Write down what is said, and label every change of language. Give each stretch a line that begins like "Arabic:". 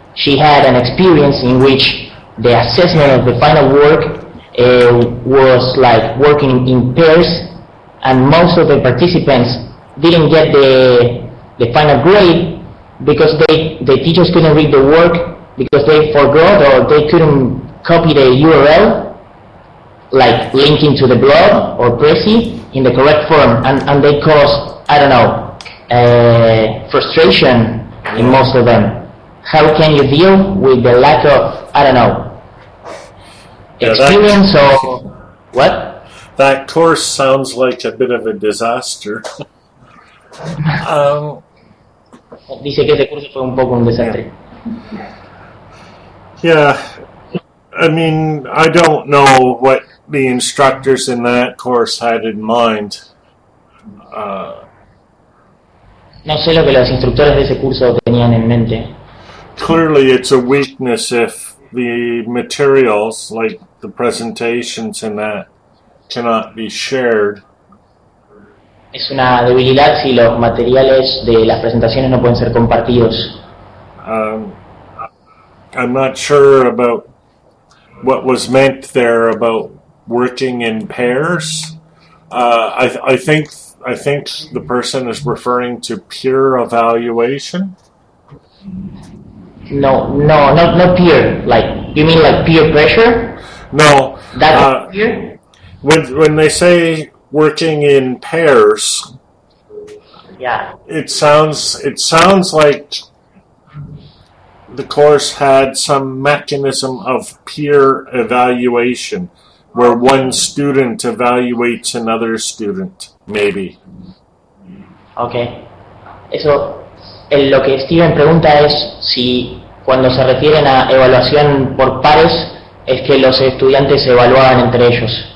English: She had an experience in which the assessment of the final work was like working in pairs, and most of the participants didn't get the final grade because the teachers couldn't read the work because they forgot, or they couldn't copy the URL, like linking to the blog or Prezi, in the correct form, and they caused, I don't know, frustration in most of them. How can you deal with the lack of, I don't know, experience or what? That course sounds like a bit of a disaster.
Spanish: Dice que ese curso fue un poco un desastre.
English: Yeah, I mean, I don't know what the instructors in that course had in mind.
Spanish: No sé lo que los instructores de ese curso tenían en mente.
English: Clearly, it's a weakness if the materials, like the presentations and that, cannot be shared.
Spanish: Es una debilidad si los materiales de las presentaciones no pueden ser compartidos.
English: I'm not sure about what was meant there about working in pairs. I think the person is referring to peer evaluation. No, not peer. Like, you mean like peer pressure? No. That peer? When they say working in pairs, yeah, it sounds like the course had some mechanism of peer evaluation, where one student evaluates another student, maybe. Okay.
Spanish: Eso, lo que Steven pregunta es si cuando se refieren a evaluación por pares, es que los estudiantes se evaluaban entre ellos.